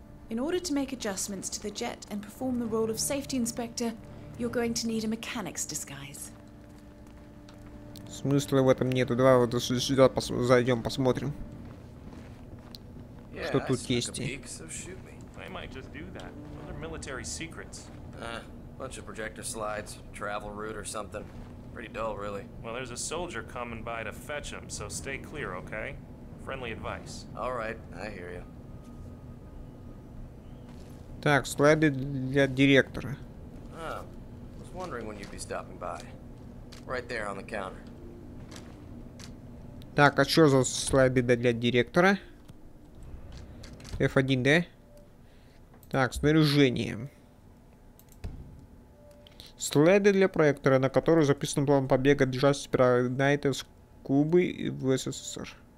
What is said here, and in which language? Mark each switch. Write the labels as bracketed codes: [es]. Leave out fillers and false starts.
[en] In order to make adjustments to the jet and perform the role of safety inspector, you're going to need a mechanic's disguise. [ru] Смысла в этом нету. Давай вот сюда зайдем, посмотрим, что тут есть. [en] I might just do that. Those are military secrets. Bunch of projector slides, travel route or something. Pretty dull, really. Well, there's a soldier coming by to fetch him, so stay clear, okay? Friendly advice. All right, I hear you. [ru] Так, слайды для директора. [en] I was wondering when you'd be stopping by. Right there on the counter. [ru] Так, а что за слайды для директора? F1, да? Так, снаряжение. Слайды для проектора, на который записан план побега Джаспера Найта с Кубы в СССР.